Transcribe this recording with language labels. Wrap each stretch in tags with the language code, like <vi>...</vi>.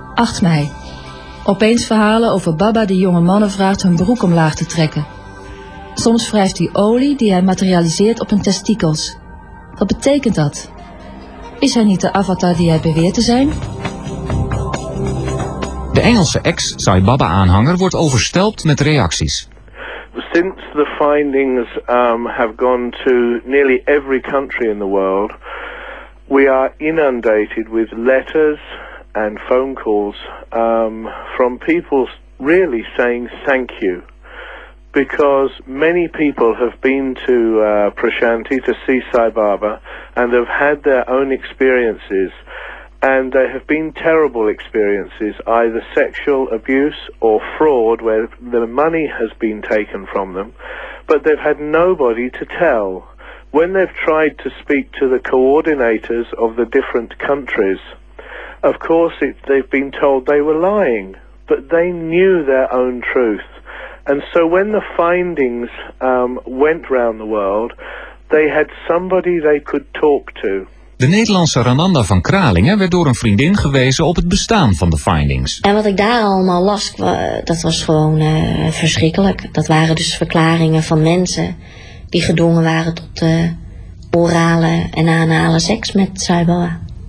<nl>8 mei. Opeens verhalen over Baba die jonge mannen vraagt hun broek omlaag te trekken. Soms wrijft hij olie die hij materialiseert op hun testikels. Wat betekent dat? Is hij niet de avatar die hij beweert te zijn? De Engelse ex-Sai Baba-aanhanger wordt overstelpt met reacties.</nl> <en>Since the findings have gone to nearly every country in the world, we are inundated with letters and phone calls from people really saying thank you. Because many people have been to Prashanti to see Sai Baba and have had their own experiences. And they have been terrible experiences, either sexual abuse or fraud, where the money has been taken from them. But they've had nobody to tell. When they've tried to speak to the coordinators of the different countries, of course they've been told they were lying. But they knew their own truth. And so when the findings went round the world, they had somebody they could talk to.</en> <nl>De Nederlandse Rananda van Kralingen werd door een vriendin gewezen op het bestaan van de findings. En wat ik daar allemaal las, dat was gewoon verschrikkelijk. Dat waren dus verklaringen van mensen die gedwongen waren tot orale en anale seks met Sai Baba.</nl>